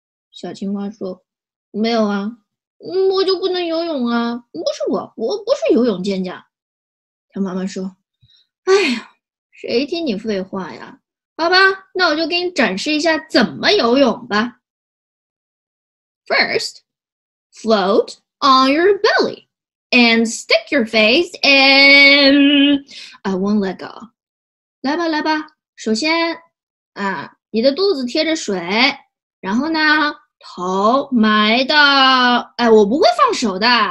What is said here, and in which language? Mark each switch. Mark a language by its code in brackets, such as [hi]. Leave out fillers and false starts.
[zh] 小青蛙说，没有啊，我就不能游泳啊，不是我，我不是游泳健将。他妈妈说，哎呀，谁听你废话呀，好吧，那我就给你展示一下怎么游泳吧。 [en] First, float on your belly and stick your face in. I won't let go. [zh] 来吧来吧，首先啊，你的肚子贴着水，然后呢头埋到，哎，我不会放手的。